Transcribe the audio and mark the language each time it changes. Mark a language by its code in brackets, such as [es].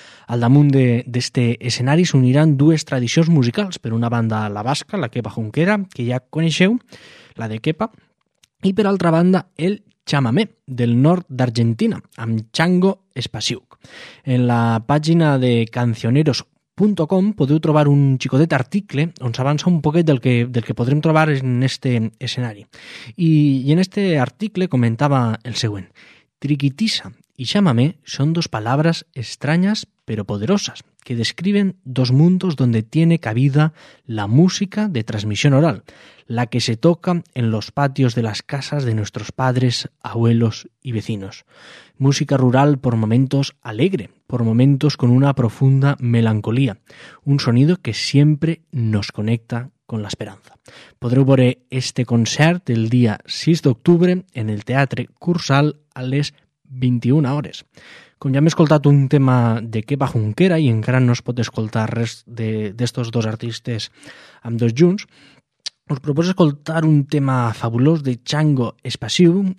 [ca] Al damunt d'aquest escenari s'uniran dues tradicions musicals, per una banda la basca, la Kepa Junquera, que ja coneixeu, la de Kepa, i per altra banda el Chamamé, del nord d'Argentina, amb Chango Espasiuk. En la pàgina de cancioneros.com podeu trobar un xicotet article on s'avança un poquet del que podrem trobar en este escenari. I en este article comentava el següent. [es] Triquitisa i chamamé [ca] són dos paraules estranyes però [es] poderosas que describen dos mundos donde tiene cabida la música de transmisión oral, la que se toca en los patios de las casas de nuestros padres, abuelos y vecinos. Música rural por momentos alegre, por momentos con una profunda melancolía, un sonido que siempre nos conecta con la esperanza. [ca] Podreu veure este concert el dia 6 d'octubre en el Teatre Cursal a les 21 hores. Com ja hem escoltat un tema de Kepa Junquera i encara no es pot escoltar res d'estos dos artistes amb dos junts, us proposo escoltar un tema fabulós de Chango Espasiuk.